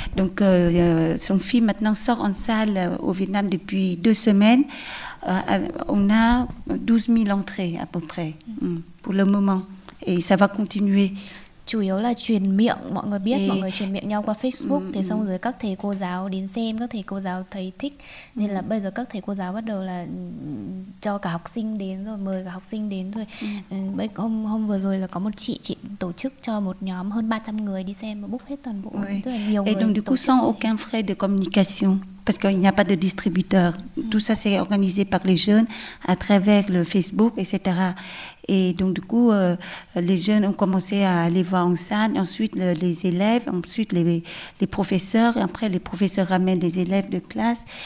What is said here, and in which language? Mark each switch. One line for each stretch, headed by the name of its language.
French: Donc son film maintenant sort en salle au Vietnam depuis 2 semaines. On a 12.000 entrées à peu près pour le moment. Et ça va continuer.
Vietnamese: Chủ yếu là truyền miệng, mọi người biết, mọi người truyền miệng nhau qua Facebook. Thế xong rồi các thầy cô giáo đến xem, các thầy cô giáo thấy thích. Nên là bây giờ các thầy cô giáo bắt đầu là cho cả học sinh đến rồi, mời cả học sinh đến rồi. Hôm vừa rồi là có một chị tổ chức cho một nhóm hơn 300 người đi xem, book hết toàn bộ. Tức là nhiều
French: Et donc du coup, sans aucun frais de communication, parce qu'il n'y a pas de distributeur. Tout ça, c'est organisé par les jeunes à travers le Facebook, etc. Et donc, du coup, les jeunes ont commencé à aller voir en salle, ensuite les élèves, ensuite les professeurs, et après les professeurs ramènent les élèves de classe.